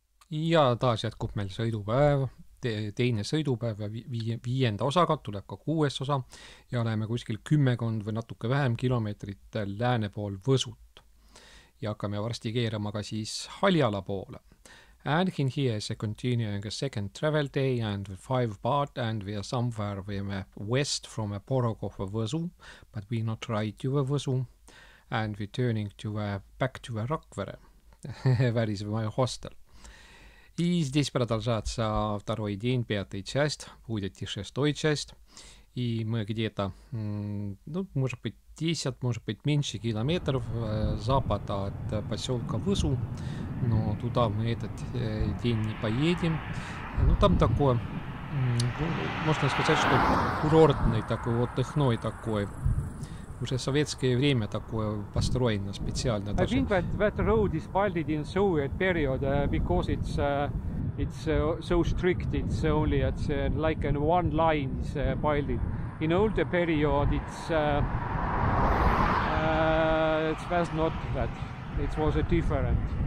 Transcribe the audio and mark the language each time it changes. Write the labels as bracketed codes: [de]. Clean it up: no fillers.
[et] ja taas jätkub meil sõidupäev, teine sõidupäev ja viienda osaga, tuleb ka kuues osa ja oleme kuskil 10 või natuke vähem kilomeetrit lääne pool Võsut ja hakkame varsti keerama ka siis Haljala poole. [en] And in here is a continuing a second travel day and 5 part and we are somewhere we are west from a Porokov Võsu, but we not right to a Võsu and we turning to a back to a Rakvere, where is my hostel. [ru] И здесь продолжается второй день, пятая часть, будет и шестой часть. И мы где-то, может быть, 10, может быть, меньше километров запада от поселка Высу. Но туда мы этот день не поедем. Ну, там такое, можно сказать, что курортный такой, отдыхной такой. Уже советское время такое построено специально. [en] I think that road is valid in Soviet period because it's so strict. It's only it's like an one line is valid. In older period it's was not that. It was a different.